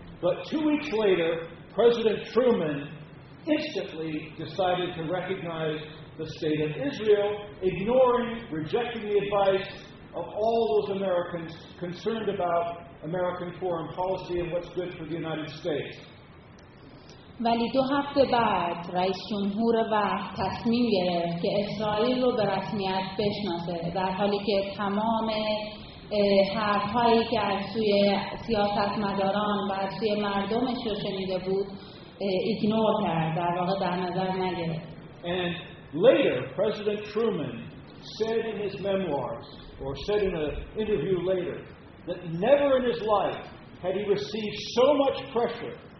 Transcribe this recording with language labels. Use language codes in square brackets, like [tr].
[en] But 2 weeks later, President Truman instantly decided to recognize the state of Israel, ignoring, rejecting the advice of all those Americans concerned about American foreign policy and what's good for the United States. [fa] ولی دو هفته بعد رئیس جمهور وقت تصمیم گرفت که اسرائیل رو به رسمیت بشناسه در حالی که تمام حرفهایی که از سوی سیاستمداران و از سوی مردمش رو شنیده بود ایگنور کرد در واقع در نظر نگرفت. [en] And later President Truman said in his memoirs or said in an interview later that never in his life had he received so much pressure